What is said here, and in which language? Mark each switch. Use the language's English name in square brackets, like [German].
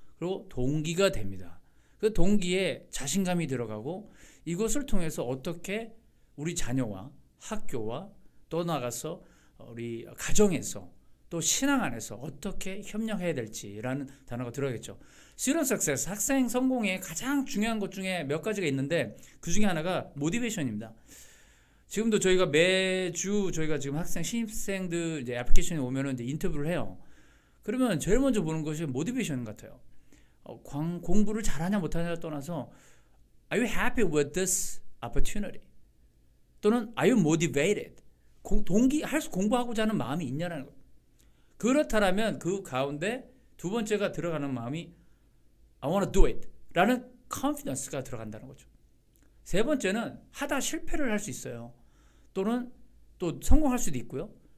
[Korean] 그리고 동기가 됩니다. 그 동기에 자신감이 들어가고, 이것을 통해서 어떻게 우리 자녀와 학교와 또 나가서 우리 가정에서 또 신앙 안에서 어떻게 협력해야 될지라는 단어가 들어가겠죠. [English] Student success, [Korean] 학생 성공에 가장 중요한 것 중에 몇 가지가 있는데, 그 중에 하나가 모티베이션입니다. 지금도 저희가 매주 저희가 지금 학생 신입생들 이제 애플리케이션에 오면은 이제 인터뷰를 해요. 그러면 제일 먼저 보는 것이 모티베이션 같아요. 공부를 잘하냐 못하냐 떠나서 [English] Are you happy with this opportunity? [Korean] 또는 [English] Are you motivated? [Korean] 공부하고자 하는 마음이 있냐라는 거. 그렇다면 그 가운데 두 번째가 들어가는 마음이 [English] I wanna do it [Korean] 라는 confidence가 들어간다는 거죠. 세 번째는 하다 실패를 할수 있어요. 또는 또 성공할 수도 있고요.